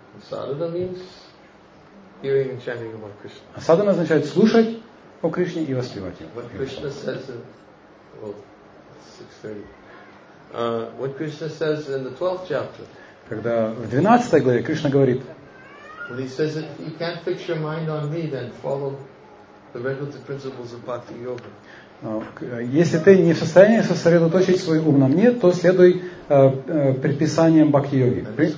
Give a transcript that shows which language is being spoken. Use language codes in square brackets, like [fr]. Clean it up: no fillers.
[en] Sadhana means hearing and chanting about Krishna. [ru] А садхана означает слушать о Кришне и воспевать его. [en] What Krishna says in, well, 6:30. What Krishna says in the 12th chapter. [ru] Когда в 12 главе Кришна говорит. [en] When he says that you can't fix your mind on me, then follow the regulative principles of Bhakti Yoga. [ru] Если ты не в состоянии сосредоточить свой ум на мне, то следуй предписаниям Бхакти Йоги.